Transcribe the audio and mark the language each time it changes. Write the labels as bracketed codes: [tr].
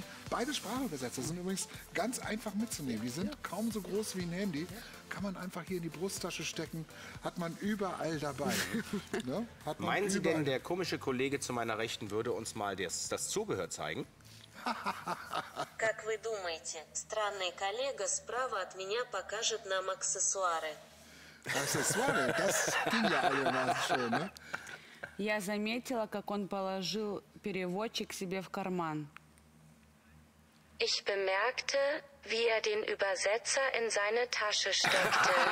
[de] Beide Sprachübersetzer sind übrigens ganz einfach mitzunehmen. Die sind kaum so groß wie ein Handy. Kann man einfach hier in die Brusttasche stecken, hat man überall dabei. Ne? Hat man Meinen überall. Sie denn, der komische Kollege zu meiner Rechten würde uns mal das Zubehör zeigen? [ru] Как вы думаете, странный коллега справа от меня покажет нам аксессуары? [de] Аксессуары? Das ging ja alle mal schön, ne? [ru] Я заметила, как он положил переводчик себе в карман. [de] Ich bemerkte, wie er den Übersetzer in seine Tasche steckte.